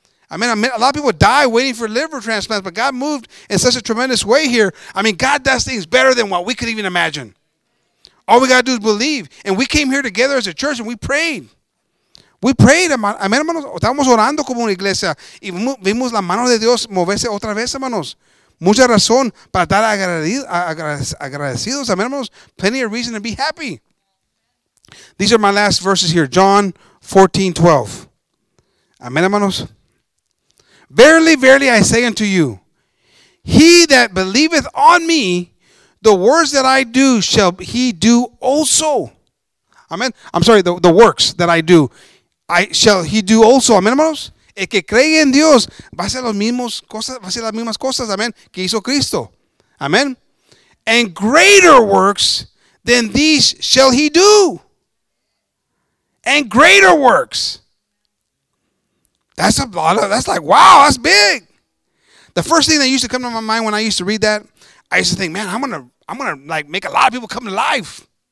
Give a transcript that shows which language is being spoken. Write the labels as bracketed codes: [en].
[en] I mean, a lot of people die waiting for liver transplants, but God moved in such a tremendous way here. I mean, God does things better than what we could even imagine. All we got to do is believe. And we came here together as a church and we prayed. We prayed, [es] hermanos, estábamos orando como una iglesia y vimos la mano de Dios moverse otra vez, hermanos. Mucha razón para estar agradecidos, hermanos. [en] Plenty of reason to be happy. These are my last verses here, John 14:12. Amen, hermanos. Verily, verily, I say unto you, he that believeth on me, the words that I do shall he do also. Amen. I'm sorry, the works that I do. I shall he do also, amen, hermanos. [es] El que cree en Dios va a hacer los mismos cosas, va a hacer las mismas cosas, amen, que hizo Cristo, amen. [en] And greater works than these shall he do. And greater works. That's a lot of. That's like, wow, that's big. The first thing that used to come to my mind when I used to read that, I used to think, man, I'm gonna like make a lot of people come to life.